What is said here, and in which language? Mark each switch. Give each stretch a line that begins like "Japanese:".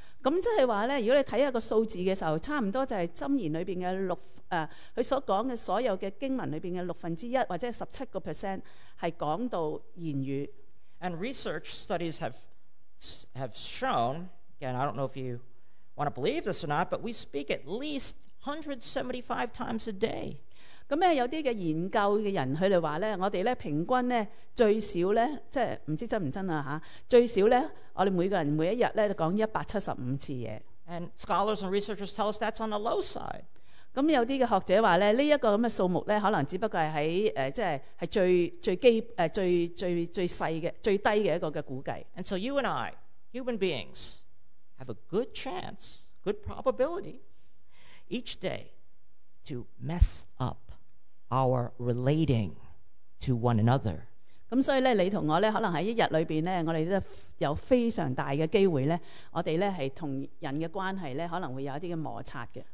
Cantonese: 咁即係話咧，如果你睇一個數字嘅時候，差唔多就係箴言裏邊嘅六佢所講嘅所有嘅經文裏邊嘅六分之一或者17% 係講到言語。
English: And research studies have shown, again, I don't know if you want to believe this or not, but we speak at least 175 times a day.
Cantonese: 咁咧，有啲嘅研究嘅人，佢哋话咧，我哋咧平均咧最少咧，即系唔知真唔真啊吓，最少咧，我哋每个人每一日咧就讲175次嘢。
English: And scholars and researchers tell us that's on the low side.
Cantonese: 咁有啲嘅学者话咧，呢一个咁嘅数目咧，可能只不过系喺即系最低嘅一个嘅估计。
English: And so you and I, human beings, have a good chance, good probability, each day, to mess up our relating to one another.
Cantonese: 咁所以咧，你同我咧，可能喺一日里边咧，我哋都有非常大嘅机会咧，我哋咧系同人嘅关系咧，可能会有一啲嘅摩擦嘅。